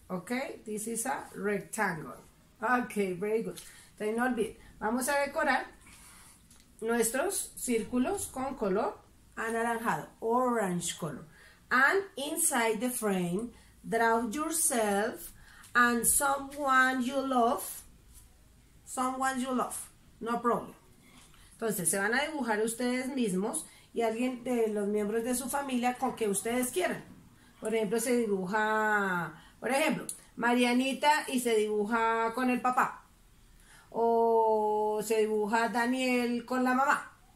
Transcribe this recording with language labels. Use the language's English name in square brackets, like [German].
[English] Okay, this is a rectangle. Okay, very good. Then not be. [Spanish] Vamos a decorar nuestros círculos con color anaranjado, [English] orange color. And inside the frame, draw yourself and someone you love. Someone you love. No problem. [Spanish] Entonces, se van a dibujar ustedes mismos y alguien de los miembros de su familia con que ustedes quieran. Por ejemplo, se dibuja, por ejemplo, Marianita y se dibuja con el papá. O se dibuja Daniel con la mamá.